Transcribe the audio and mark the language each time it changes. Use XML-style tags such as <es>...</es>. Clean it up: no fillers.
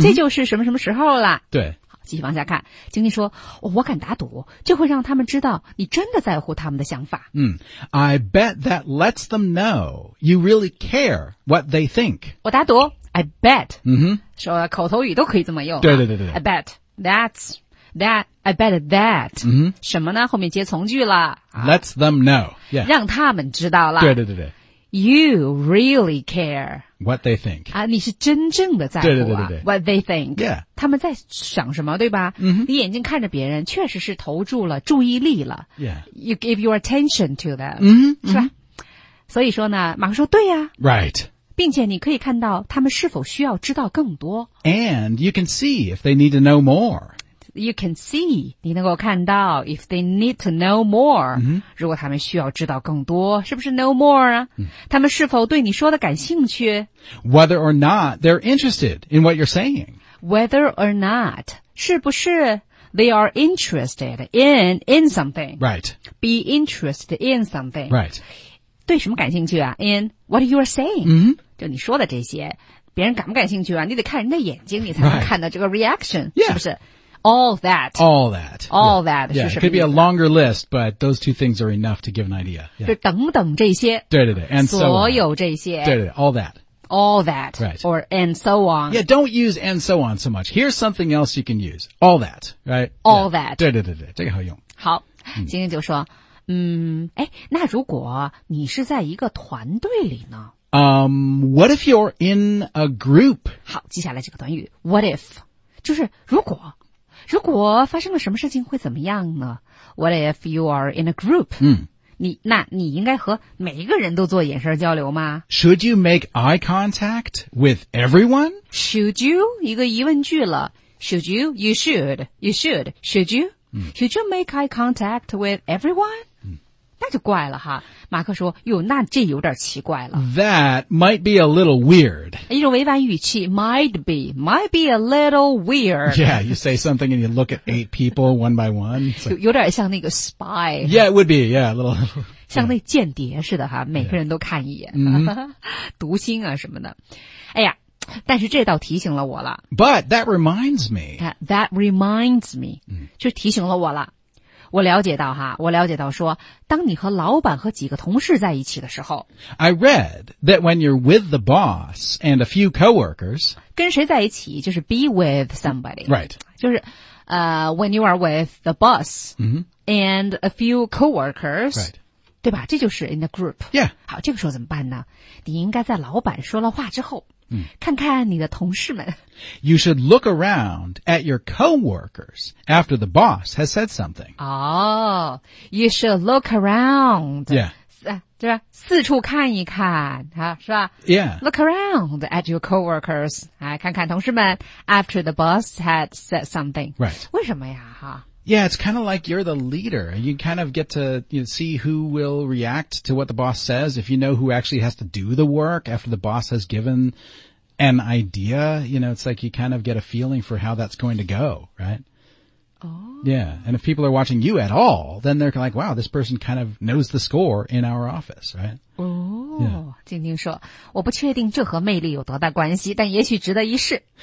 <zh>这就是什么什么时候了。对。好继续往下看。经济说、哦、我敢打赌就会让他们知道你真的在乎他们的想法。</zh> <en>嗯、I bet that lets them know you really care what they think.</en> <zh>我打赌。</zh> <en>I bet,、 mm-hmm.</en> <zh>说口头语都可以这么用、啊。对对对对。</zh> <en>I bet, that's, that, I bet that,、 mm-hmm.</en> <zh>什么呢后面接从句了。</zh> <en>Let's them know,、yeah.</en> <zh>让他们知道了。对对对对。</zh> <en>You really care. What they think.、</en> <zh>啊、你是真正的在乎、啊。对对对对对。</zh> <en>What they think.、 Yeah.</en> <zh>他们在想什么对吧、</zh> <en>mm-hmm.</en> <zh>你眼睛看着别人确实是投注了注意力了。</zh> <en>Yeah. You give your attention to them.、 Mm-hmm.</en> <zh>是吧、</zh> <en>mm-hmm.</en> <zh>所以说呢马克说对呀、啊。</zh> <en>Right.</en> <zh>并且你可以看到他们是否需要知道更多。</zh> <en>And you can see if they need to know more. You can see,</en> <zh>你能够看到</zh> <en>if they need to know more.、 Mm-hmm.</en> <zh>如果他们需要知道更多是不是</zh> <en>know more</en> <zh>啊、</zh> <en>mm-hmm.</en> <zh>他们是否对你说的感兴趣</zh> <en>Whether or not they're interested in what you're saying. Whether or not,</en> <zh>是不是</zh> <en>they are interested in something. Right. Be interested in something. Right.</en> <zh>对什么感兴趣啊</zh> <en>?In what you are saying.、 Mm-hmm.</en> <zh>就你说的这些别人感不感兴趣啊你得看人的眼睛你才能看到这个 reaction,、</zh> <en>right. yeah.</en> <zh>是不是</zh> <en>?All that. All that. All that. Yeah. Yeah. It could be a longer list, but those two things are enough to give an idea.、Yeah.</en> <zh>就等等这些。对对对 ,</zh> <en>and so on.</en> <zh>所有这些。对对对 ,</zh> <en>all that. All that. Right. Or and so on. Yeah, don't use and so on so much. Here's something else you can use. All that. Right? All、yeah. that.</en> <zh>对对对对这个好用。好、嗯、今天就说嗯，哎，那如果你是在一个团队里呢？</zh> <en>What if you're in a group?</en> <zh>好，接下来这个短语 what if，就是如果发生了什么事情会怎么样呢？</zh> <en>What if you are in a group?</en> <zh>那你应该和每一个人都做眼神交流吗？</zh> <en>Should you make eye contact with everyone? Should you?</en> <zh>一个疑问句了。</zh> <en>Should you? You should. You should. Should you? Should you make eye contact with everyone?</en> <zh>那就怪了哈，马克说，哟，那这有点奇怪了。</zh> <en>That might be a little weird.</en> <zh>一种委婉语气</zh> <en>might be a little weird. Yeah, you say something and you look at eight people one by one.</en> <zh>Like, 有点像那个 spy.</zh> <en>Yeah, it would be, yeah, a little.</en> <zh>像那间谍似的哈，每个人都看一眼、读心啊什么的。哎呀，但是这倒提醒了我了。</zh> <en>But that reminds me. That reminds me.、</en> <zh>就提醒了我了。我了解到说，当你和老板和几个同事在一起的时候</zh> <en>I read that when you're with the boss and a few coworkers</en> <zh>跟谁在一起就是</zh> <en>be with somebody Right</en> <zh>就是</zh> <en>when you are with the boss、and a few coworkers、 right.</en> <zh>对吧，这就是</zh> <en>in the group Yeah</en> <zh>好，这个时候怎么办呢？你应该在老板说了话之后看看你的同事们。</zh> <en>You should look around at your coworkers after the boss has said something. Oh, you should look around. Yeah.</en> <zh>对吧，四处看一看是吧</zh> <en>Yeah. Look around at your coworkers.</en> <zh>看看同事们</zh> <en>after the boss had said something. Right.</en> <zh>为什么呀</zh> <en>Yeah, it's kind of like you're the leader. You kind of get to you know, see who will react to what the boss says. If you know who actually has to do the work after the boss has given an idea, you know, it's like you kind of get a feeling for how that's going to go, right? Oh. Yeah. And if people are watching you at all, then they're like, wow, this person kind of knows the score in our office, right? Oh. Yeah.</en> <zh>静静说，我不确定这和魅力有多大关系，但也许值得一试。</zh>